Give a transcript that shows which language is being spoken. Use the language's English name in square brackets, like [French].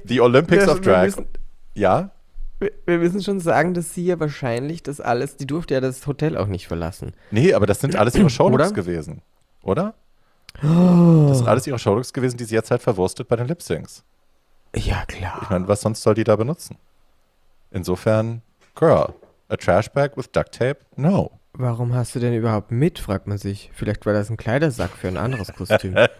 [English] The Olympics of Drag. [German] Ja? Wir müssen schon sagen, dass sie ja wahrscheinlich das alles, die durfte ja das Hotel auch nicht verlassen. Nee, aber das sind alles ihre Showlooks gewesen, oder? Oh. Das sind alles ihre Showlooks gewesen, die sie jetzt halt verwurstet bei den Lip-Syncs. Ja, klar. Ich meine, was sonst soll die da benutzen? Insofern, [English] girl, a trash bag with duct tape? No. [German] Warum hast du denn überhaupt mit, fragt man sich. Vielleicht war das ein Kleidersack für ein anderes Kostüm.